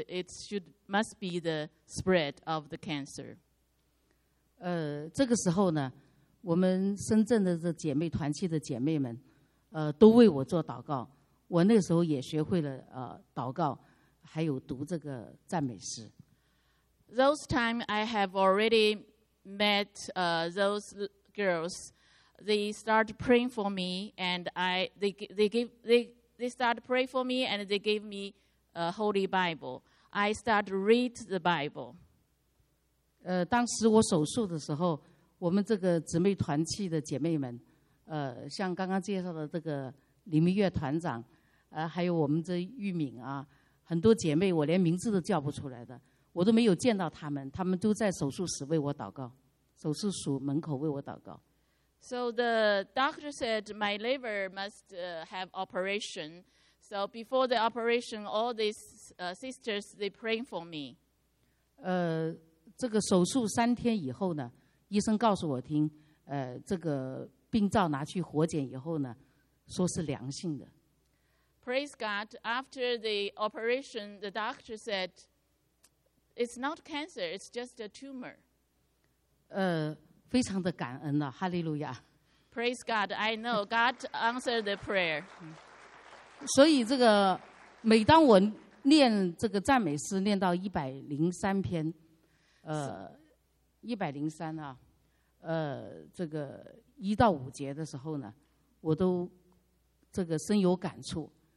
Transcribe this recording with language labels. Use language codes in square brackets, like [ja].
[en] It must be the spread of the cancer. [zh] 这个时候呢，我们深圳的这姐妹团契的姐妹们，都为我做祷告。我那时候也学会了祷告，还有读这个赞美诗。 [en] Those time I have already met those girls. they start praying for me, and they gave me a Holy Bible. I start read the Bible. [zh] 当时我手术的时候，我们这个姊妹团契的姐妹们，像刚刚介绍的这个林明月团长，还有我们这玉敏啊，很多姐妹我连名字都叫不出来的，我都没有见到他们，他们都在手术室为我祷告，手术室门口为我祷告。 [en] So the doctor said my liver must have operation. So before the operation, all these sisters they praying for me. [zh] 这个手术三天以后呢，医生告诉我听，这个病灶拿去活检以后呢，说是良性的。 [en] Praise God! After the operation, the doctor said, "It's not cancer; it's just a tumor." [zh] 非常的感恩了，哈利路亚。 [en] Praise God! I know God answered the prayer. [zh] 所以这个每当我念这个赞美诗，念到103篇。 103啊，这个一到五节的时候呢，我都这个深有感触。